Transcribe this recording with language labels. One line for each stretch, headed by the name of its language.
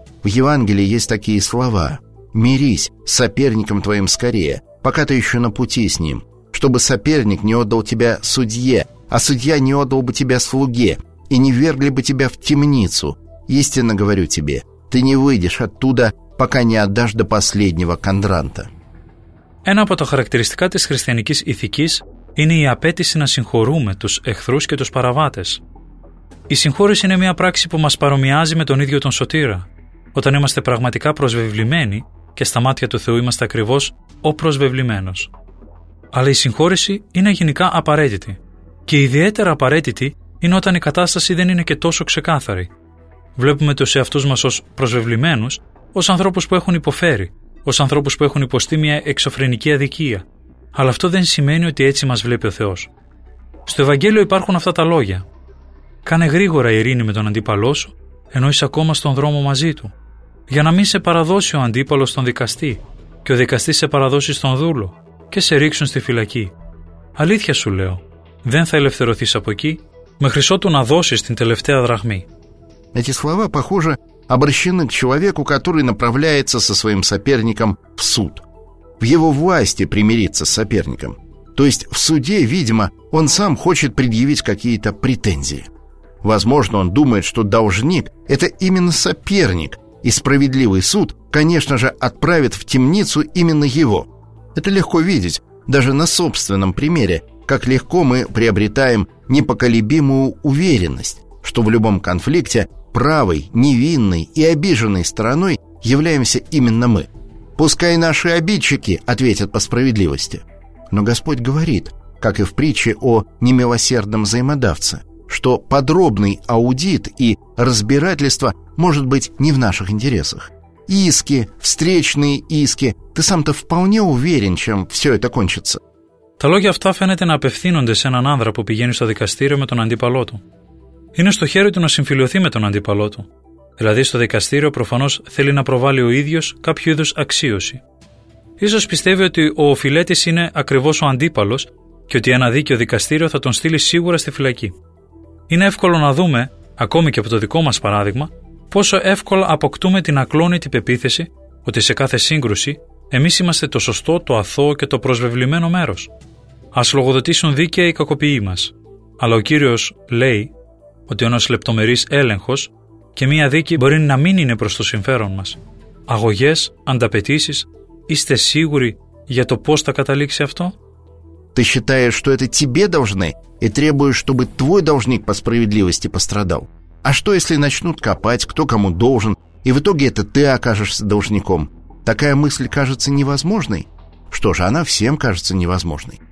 Russian: В Евангелии есть такие слова: «Мирись с соперником твоим скорее, пока ты еще на пути с ним, чтобы соперник не отдал тебя судье, а судья не отдал бы тебя слуге, и не ввергли бы тебя в темницу. Истинно говорю тебе, ты не выйдешь оттуда, пока не отдашь до последнего кондранта».
Greek: Ένα από τα χαρακτηριστικά της χριστιανικής ηθικής είναι η απέτηση να συγχωρούμε τους εχθρούς και τους παραβάτες. Η συγχώρηση είναι μια πράξη που μας παρομοιάζει με τον ίδιο τον Σωτήρα. Όταν είμαστε πραγματικά προσβεβλημένοι και στα μάτια του Θεού είμαστε ακριβώς ο προσβεβλημένος. Αλλά η συγχώρηση είναι γενικά απαραίτητη. Και ιδιαίτερα απαραίτητη είναι όταν η κατάσταση δεν είναι και τόσο ξεκάθαρη. Βλέπουμε τους εαυτούς μας ως προσβεβλημένους, ως ανθρώπους που έχουν υποφέρει, ως ανθρώπους που έχουν υποστεί μια εξωφρενική αδικία. Αλλά αυτό δεν σημαίνει ότι έτσι μας βλέπει ο Θεός. Στο Ευαγγέλιο υπάρχουν αυτά τα λόγια: «Κάνε γρήγορα ειρήνη με τον αντίπαλό σου, ενώ είσαι ακόμα στον δρόμο μαζί του, για να μην σε παραδώσει ο αντίπαλος στον δικαστή, και ο δικαστής σε παραδώσει στον δούλο, και σε ρίξουν στη φυλακή. Αλήθεια σου λέω, δεν θα ελευθερωθείς από εκεί, μέχρι ότου να δώσεις την τελευταία δραχμή».
Russian: Эти слова, похоже, обращены к человеку, который направляется со своим соперником в суд. В его власти примириться с соперником. То есть в суде, видимо, он сам хочет предъявить какие-то претензии. Возможно, он думает, что должник – это именно соперник, и справедливый суд, конечно же, отправит в темницу именно его. Это легко видеть, даже на собственном примере, как легко мы приобретаем непоколебимую уверенность, что в любом конфликте правой, невинной и обиженной стороной являемся именно мы. Пускай наши обидчики ответят по справедливости. Но Господь говорит, как и в притче о немилосердном взаимодавце, что подробный аудит и разбирательство может быть не в наших интересах. Иски, встречные иски, ты сам-то вполне уверен, чем все это кончится.
Greek: Τα λόγια αυτά φαίνεται να απευθύνονται σε έναν άνδρα που πηγαίνει στο δικαστήριο με τον αντίπαλό του. Είναι στο χέρι του να συμφιλειωθεί με τον αντίπαλό του. Δηλαδή, στο δικαστήριο προφανώς θέλει να προβάλλει ο ίδιος κάποιο είδους αξίωση. Ίσως πιστεύει ότι ο οφειλέτης είναι ακριβώς ο αντίπαλος και ότι ένα δίκαιο δικαστήριο θα τον στείλει σίγουρα στη φυλακή. Είναι εύκολο να δούμε, ακόμη και από το δικό μας παράδειγμα, πόσο εύκολα αποκτούμε την ακλόνητη πεποίθηση ότι σε κάθε σύγκρουση εμείς είμαστε το σωστό, το αθώο και το προσβεβλημένο μέρος. Ας λογοδοτήσουν δίκαια οι κακοποιοί μας. Αλλά ο Κύριος λέει ότι ένας λεπτομερής έλεγχος και μία δίκη μπορεί να μην είναι προς το συμφέρον μας. Αγωγές, ανταπαιτήσεις, είστε σίγουροι για το πώς θα καταλήξει αυτό?
Russian: Ты считаешь, что это тебе должны, и требуешь, чтобы твой должник по справедливости пострадал? А что, если начнут копать, кто кому должен, и в итоге это ты окажешься должником? Такая мысль кажется невозможной? Что же, она всем кажется невозможной.